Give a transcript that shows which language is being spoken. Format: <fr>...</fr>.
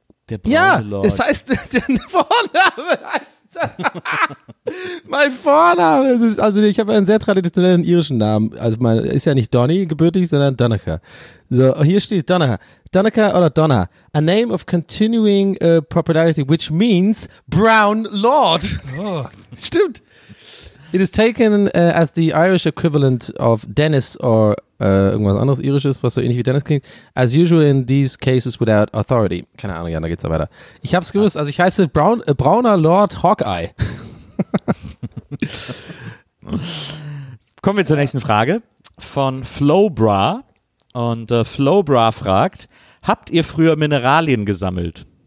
<de>Der braune, ja, Lord. Es heißt, der Vorname heißt. Mein Vorname. Also ich habe einen sehr traditionellen irischen Namen. Also man ist ja nicht Donny gebürtig, sondern Donnacher. So, hier steht Donnacher. Donnacher oder Donner.</de> <en>A name of continuing popularity, which means Brown Lord. Oh.</en> <de>Stimmt.</de> <en>It is taken as the Irish equivalent of Dennis or</en> <de>irgendwas anderes Irisches, was so ähnlich wie Dennis klingt.</de> <en>As usual in these cases without authority.</en> <de>Keine Ahnung, ja, da geht's ja weiter. Ich hab's gewusst, also ich heiße Brauner Lord Hawkeye. Kommen wir zur nächsten Frage von Flowbra. Und Flowbra fragt, habt ihr früher Mineralien gesammelt?</de>